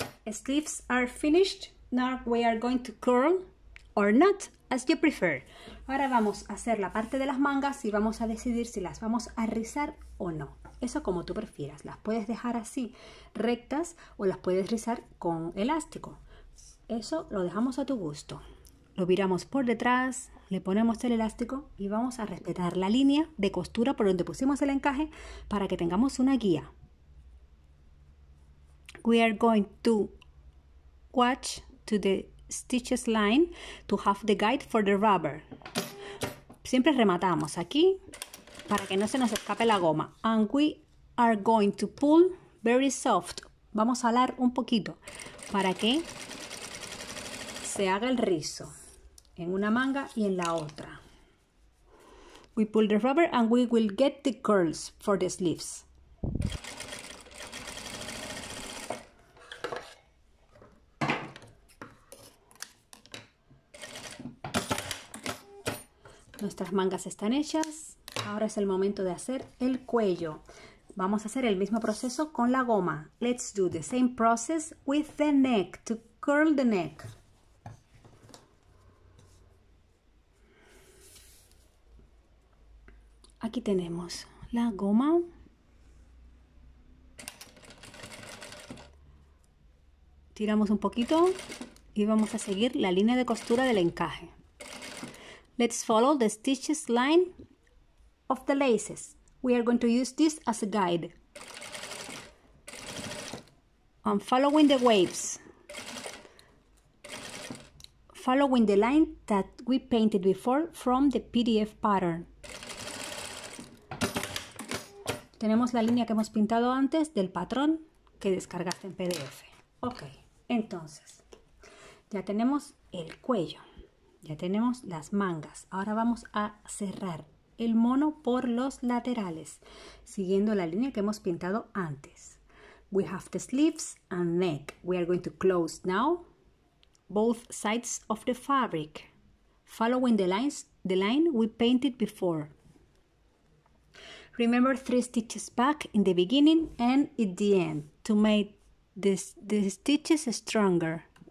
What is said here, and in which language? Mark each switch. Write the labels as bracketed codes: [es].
[en] Sleeves are finished. Now we are going to curl or not, as you prefer. [es] Ahora vamos a hacer la parte de las mangas y vamos a decidir si las vamos a rizar o no. Eso como tú prefieras. Las puedes dejar así rectas o las puedes rizar con elástico. Eso lo dejamos a tu gusto. Lo viramos por detrás, le ponemos el elástico y vamos a respetar la línea de costura por donde pusimos el encaje para que tengamos una guía. [en] We are going to watch to the stitches line to have the guide for the rubber. [es] Siempre rematamos aquí para que no se nos escape la goma. [en] And we are going to pull very soft. [es] Vamos a alar un poquito para que se haga el rizo en una manga y en la otra. [en] We pull the rubber and we will get the curls for the sleeves. [es] Nuestras mangas están hechas. Ahora es el momento de hacer el cuello. Vamos a hacer el mismo proceso con la goma. [en] Let's do the same process with the neck to curl the neck. [es] Aquí tenemos la goma. Tiramos un poquito y vamos a seguir la línea de costura del encaje. [en] Let's follow the stitches line of the laces. We are going to use this as a guide. I'm following the waves. Following the line that we painted before from the PDF pattern. [es] Tenemos la línea que hemos pintado antes del patrón que descargaste en PDF. Ok, entonces, ya tenemos el cuello. Ya tenemos las mangas. Ahora vamos a cerrar el mono por los laterales, siguiendo la línea que hemos pintado antes. [en] We have the sleeves and neck. We are going to close now both sides of the fabric, following the line we painted before. Remember 3 stitches back in the beginning and at the end to make the stitches stronger.